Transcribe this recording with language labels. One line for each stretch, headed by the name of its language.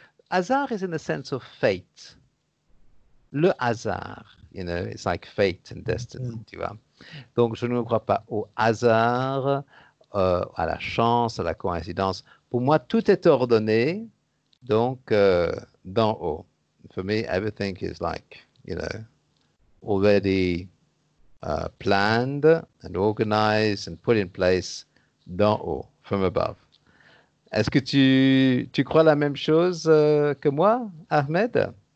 English: Hasard is in the sense of fate.
French: Le hasard,
English: you know, it's like fate and destiny,
French: tu vois. Donc, je ne crois pas au hasard, à la chance, à la coïncidence. Pour moi, tout est ordonné, donc d'en haut.
English: For me, everything is like, you know, already planned and organized and put in place
French: d'en haut,
English: from above.
French: Est-ce que tu crois la même chose que moi, Ahmed?